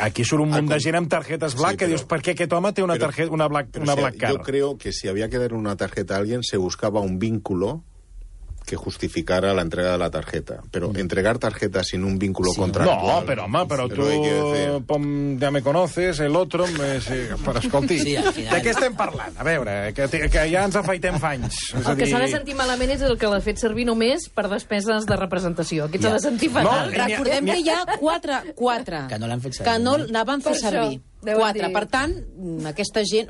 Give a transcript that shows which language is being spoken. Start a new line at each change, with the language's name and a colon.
Catalan: aquí surt un munt de gent amb targetes black, sí, que dius, per què aquest home té una targeta, una black card?
Spanish: Yo creo que si había que dar una tarjeta a alguien, se buscaba un vínculo que justificara la entrega de la tarjeta. Pero entregar tarjeta sin un vínculo contractual... No, pero, home, pero tú ya me conoces, el otro...
Catalan: Però, escolti, de què estem parlant? A veure, que ja ens afaitem fa anys. El que s'ha de sentir malament és el que l'ha fet servir només per despeses de representació. Aquest s'ha de sentir fatal. Recordem que hi ha quatre. Que no l'han fet servir. Que no l'han fet servir. Per tant, aquesta gent...